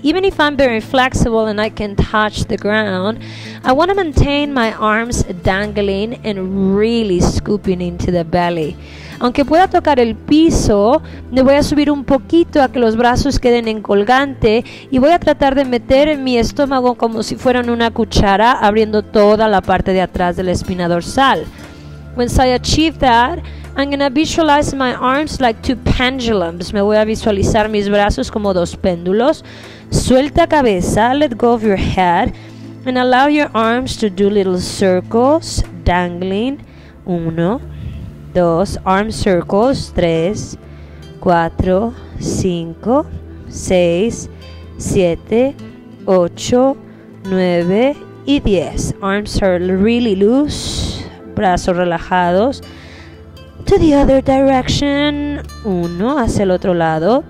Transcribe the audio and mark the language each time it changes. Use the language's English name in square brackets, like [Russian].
[English] Even if I'm very flexible and I can touch the ground, I want to maintain my arms dangling and really scooping into the belly. [Spanish] Aunque pueda tocar el piso, me voy a subir un poquito a que los brazos queden en colgante y voy a tratar de meter en mi estómago como si fueran una cuchara, abriendo toda la parte de atrás de la espina dorsal. [English] Once I achieve that, I'm going to visualize my arms like two pendulums. [Spanish] Me voy a visualizar mis brazos como dos péndulos. Suelta cabeza, [English] let go of your head, and allow your arms to do little circles, dangling. [Spanish] Uno, dos, [English] arm circles. [Spanish] Tres, cuatro, cinco, seis, siete, ocho, nueve y diez. [English] Arms are really loose, [Spanish] brazos relajados. [English] To the other direction. [Spanish] Uno, hacia el otro lado.